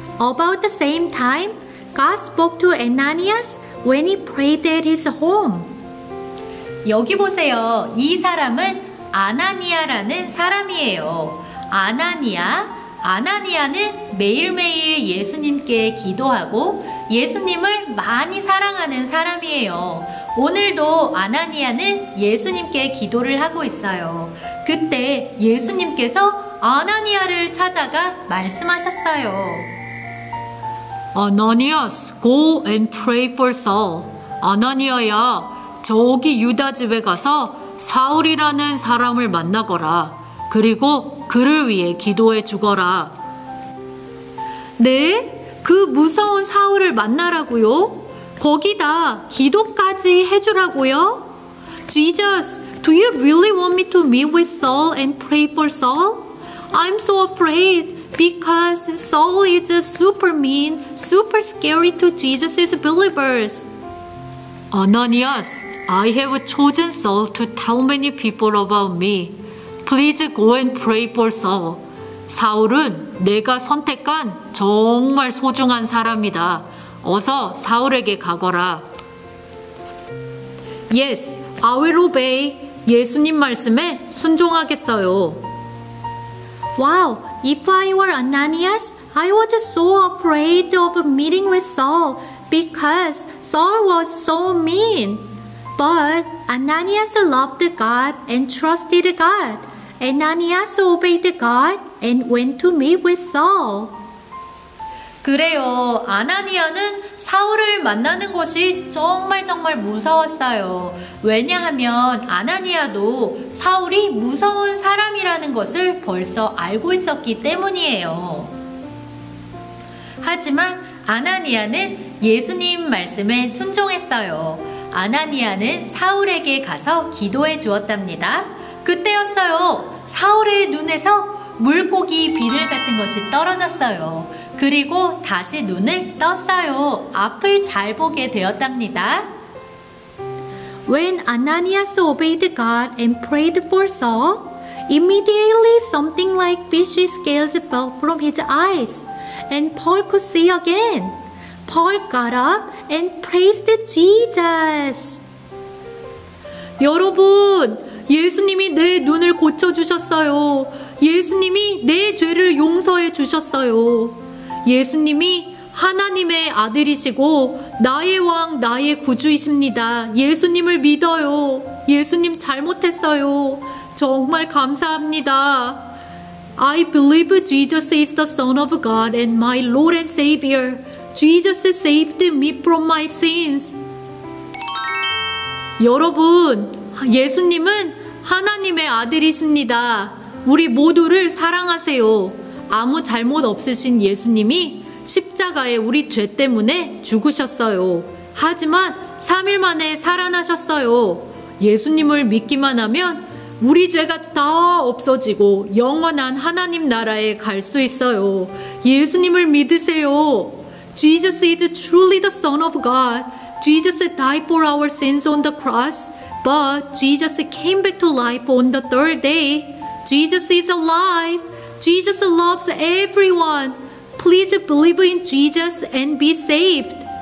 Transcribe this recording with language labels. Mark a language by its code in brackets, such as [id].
[en] About the same time, God spoke to Ananias when he prayed at his home. [ko] 여기 보세요. 이 사람은 아나니아라는 사람이에요. 아나니아, 아나니아는 매일매일 예수님께 기도하고 예수님을 많이 사랑하는 사람이에요. 오늘도 아나니아는 예수님께 기도를 하고 있어요. 그때 예수님께서 아나니아를 찾아가 말씀하셨어요. [en] Ananias, go and pray for Saul. [ko] 아나니아야, 저기 유다 집에 가서 사울이라는 사람을 만나거라. 그리고 그를 위해 기도해 주거라. 네? 그 무서운 사울을 만나라고요? 거기다 기도까지 해주라고요? [en] Jesus, do you really want me to meet with Saul and pray for Saul? I'm so afraid because Saul is super mean, super scary to Jesus' believers. Ananias, I have chosen Saul to tell many people about me. Please go and pray for Saul. [ko] 사울은 내가 선택한 정말 소중한 사람이다. 어서 사울에게 가거라. [en] Yes, I will obey. [ko] 예수님 말씀에 순종하겠어요. [en] Wow, if I were Ananias, I was so afraid of meeting with Saul because Saul was so mean. But Ananias loved God and trusted God. Ananias obeyed God and went to meet with Saul. [ko] 그래요. 아나니아는 사울을 만나는 것이 정말 정말 무서웠어요. 왜냐하면 아나니아도 사울이 무서운 사람이라는 것을 벌써 알고 있었기 때문이에요. 하지만 아나니아는 예수님 말씀에 순종했어요. 아나니아는 사울에게 가서 기도해 주었답니다. 그때였어요. 사울의 눈에서 물고기 비늘 같은 것이 떨어졌어요. 그리고 다시 눈을 떴어요. 앞을 잘 보게 되었답니다. [en] When Ananias obeyed God and prayed for Saul, immediately something like fish scales fell from his eyes, and Paul could see again. Paul got up and praised Jesus. [ko] 여러분, 예수님이 내 눈을 고쳐주셨어요. 예수님이 내 죄를 용서해 주셨어요. 예수님이 하나님의 아들이시고 나의 왕, 나의 구주이십니다. 예수님을 믿어요. 예수님 잘못했어요. 정말 감사합니다. [en] I believe Jesus is the Son of God and my Lord and Savior. Jesus saved me from my sins. [ko] 여러분, 예수님은 하나님의 아들이십니다. 우리 모두를 사랑하세요. 아무 잘못 없으신 예수님이 십자가에 우리 죄 때문에 죽으셨어요. 하지만 3일 만에 살아나셨어요. 예수님을 믿기만 하면 우리 죄가 다 없어지고 영원한 하나님 나라에 갈 수 있어요. 예수님을 믿으세요. [en] Jesus is truly the Son of God. Jesus died for our sins on the cross, but Jesus came back to life on the third day. Jesus is alive. Jesus loves everyone. Please believe in Jesus and be saved.